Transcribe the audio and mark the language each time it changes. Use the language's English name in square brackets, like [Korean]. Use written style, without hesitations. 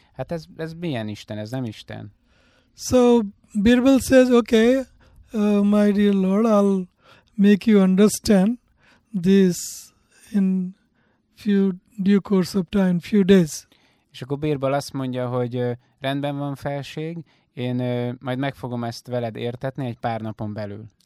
[Hungarian] Hát ez milyen isten? Ez nem isten. [English] So, Birbal says, okay, my dear Lord, I'll make you understand this in few due course of time, few days. [Hungarian] És akkor Birbal azt mondja, hogy rendben van, felség, én majd meg fogom ezt veled értetni egy pár napon belül.